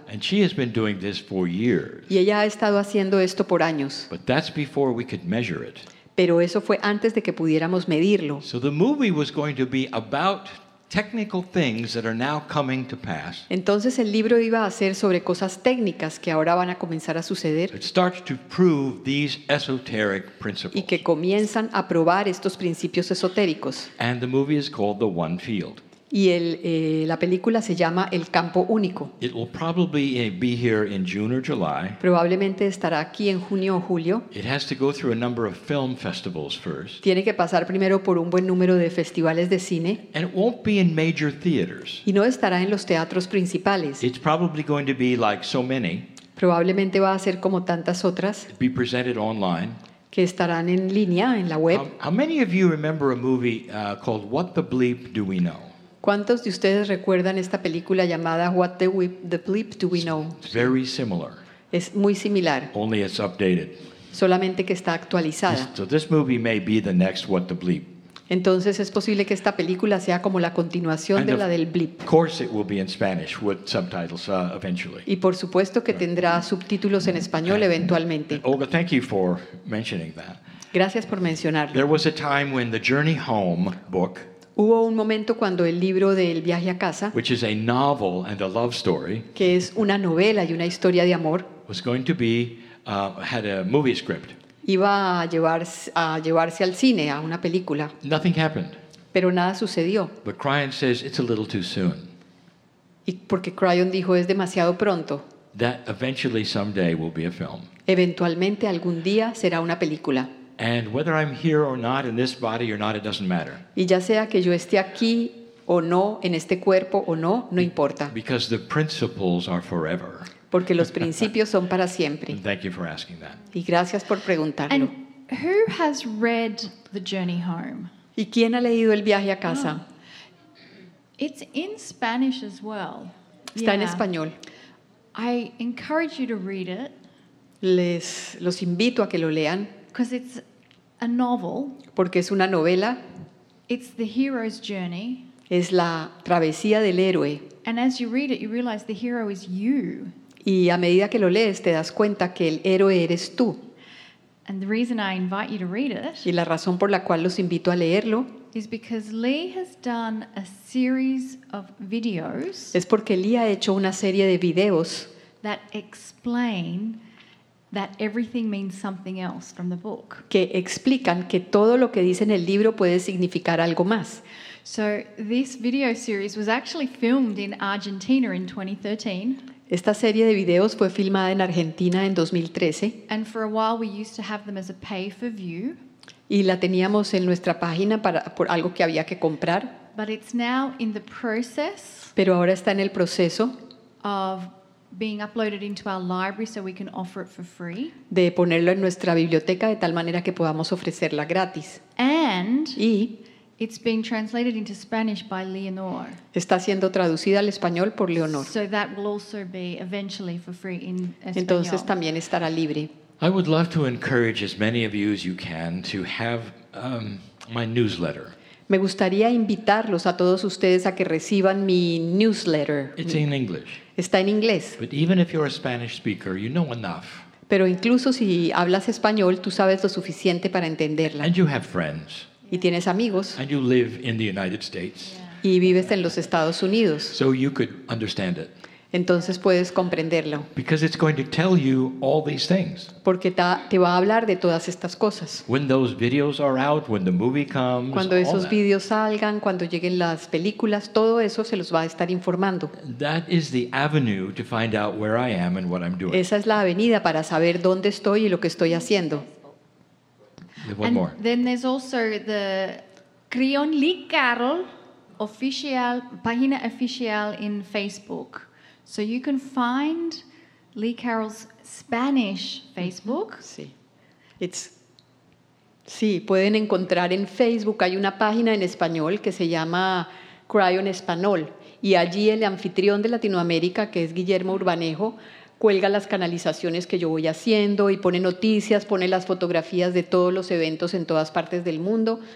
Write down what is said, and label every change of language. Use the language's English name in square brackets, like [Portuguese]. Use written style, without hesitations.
[English] And she has been doing this for years. [Spanish] Y ella ha estado haciendo esto por años. [English] But that's before we could measure it. [Spanish] Pero eso fue antes de que pudiéramos medirlo. [English] So the movie was going to be about technical things that are now coming to pass. [Spanish] Entonces el libro iba a ser sobre cosas técnicas que ahora van a comenzar a suceder. [English] It starts to prove these esoteric principles. [Spanish] Y que comienzan a probar estos principios esotéricos. [English] And the movie is called The One Field. [Spanish] Y la película se llama El Campo Único. [English] It will probably be here in June or July. [Spanish] Probablemente estará aquí en junio o julio. [English] It has to go through a number of film festivals first. [Spanish] Tiene que pasar primero por un buen número de festivales de cine. [English] And it won't be in major theaters. [Spanish] Y no estará en los teatros principales. [English] It's probably going to be like so many. [Spanish] Probablemente va a ser como tantas otras. [English] It'll be presented online. [Spanish] Que estarán en línea, en la web. [English] How many of you remember a movie called What the Bleep Do We Know? [Spanish] ¿Cuántos de ustedes recuerdan esta película llamada What the Bleep Do We Know? [English] It's very similar. [Spanish] Es muy similar. [English] Only it's updated. [Spanish] Solamente que está actualizada. [English] So this movie may be the next What the Bleep. [Spanish] Entonces es posible que esta película sea como la continuación de la del Bleep. [English] Of course it will be in Spanish with subtitles eventually. [Spanish] Y por supuesto que tendrá subtítulos en español eventualmente. [English] Olga, thank you for mentioning that. [Spanish] Gracias por mencionarlo. [English] There was a time when the Journey Home book, [Spanish] hubo un momento cuando el libro del viaje a casa, [English] which is a novel and a love story, [Spanish] que es una novela y una historia de amor, [English] was going to be had a movie script. [Spanish] Iba a llevarse al cine, a una película. [English] Nothing happened. [Spanish] Pero nada sucedió. [English] But Cryon says it's a little too soon. [Spanish] Y porque Cryon dijo es demasiado pronto. [English] That eventually someday will be a film. [Spanish] Eventualmente algún día será una película. [English] And whether I'm here or not in this body or not, it doesn't matter. [Spanish] Y ya sea que yo esté aquí o no en este cuerpo o no, no importa. [English] Because the principles are forever. [Spanish] Porque los principios son para siempre. [English] And thank you for asking that. [Spanish] Y gracias por preguntarlo. [English] And who has read The Journey Home? [Spanish] ¿Y quién ha leído El Viaje a Casa? [English] Oh. It's in Spanish as well. [Spanish] Está en español. [English] I encourage you to read it. [Spanish] Los invito a que lo lean. [English] Because it's a novel. [Spanish] Porque es una novela. [English] It's the hero's journey. [Spanish] Es la travesía del héroe. [English] And as you read it, you realize the hero is you. [Spanish] Y a medida que lo lees, te das cuenta que el héroe eres tú. [English] And the reason I invite you to read it. [Spanish] Y la razón por la cual los invito a leerlo. [English] Is because Lee has done a series of videos. [Spanish] Es porque Lee ha hecho una serie de videos. [English] That explain that everything means something else from the book. [Spanish] Que explican que todo lo que dice en el libro puede significar algo más. [English] So this video series was actually filmed in Argentina in 2013. [Spanish] Esta serie de videos fue filmada en Argentina en 2013. [English] And for a while we used to have them as a pay for view. [Spanish] Y la teníamos en nuestra página para por algo que había que comprar. [English] But it's now in the process. [Spanish] Pero ahora está en el proceso. [English] Of being uploaded into our library so we can offer it for free. [Spanish] De ponerlo en nuestra biblioteca de tal manera que podamos ofrecerla gratis. [English] And [Spanish] y [English] it's being translated into Spanish by Leonor. [Spanish] Está siendo traducida al español por Leonor. [English] So that will also be eventually for free in español. [Spanish] Entonces también estará libre. [English] I would love to encourage as many of you as you can to have my newsletter. [Spanish] Me gustaría invitarlos a todos ustedes a que reciban mi newsletter. [English] It's in English. [Spanish] Está en inglés. [English] But even if you're a Spanish speaker, you know enough. [Spanish] Pero incluso si hablas español, tú sabes lo suficiente para entenderla. [English] And you have friends. [Spanish] Y tienes amigos. [English] And you live in the United States. [Spanish] Y vives en los Estados Unidos. [English] So you could understand it. [Spanish] Entonces puedes comprenderlo. [English] Because it's going to tell you all these things. [Spanish] Porque te va a hablar de todas estas cosas. [English] When those videos are out, when the movie comes, [Spanish] cuando esos videos salgan, cuando lleguen las películas, todo eso se los va a estar informando. [English] That is the avenue to find out where I am and what I'm doing. [Spanish] Esa es la avenida para saber dónde estoy y lo que estoy haciendo. [English] One more. And then there's also the Creon Lee Carroll official [Spanish] página oficial [English] in Facebook. So you can find Lee Carroll's Spanish Facebook. [Spanish] Sí. It's sí, pueden encontrar en Facebook, hay una página en español que se llama Creon Español y allí el anfitrión de Latinoamérica, que es Guillermo Urbanejo, cuelga las canalizaciones que yo voy haciendo y pone noticias, pone las fotografías de todos los eventos en todas partes del mundo.